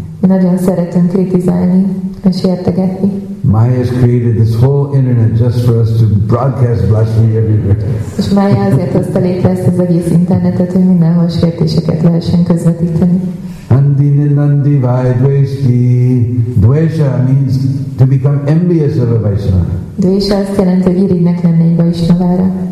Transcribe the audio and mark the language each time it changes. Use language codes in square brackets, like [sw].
[hu] Mi nagyon szeretünk kritizálni, és értegetni. [en] Maya has created this whole internet just for us to broadcast blasphemy everywhere. [hu] És Maya azért hozta létre ezt az egész internetet, hogy mindenhol sértéseket lehessen közvetíteni. [sa] Andi nindanti vaidveshti. [en] Dvesha means to become envious of a Vaishnava. [hu] Dvesha azt jelenti, hogy irigynek lenni egy Vaishnavára.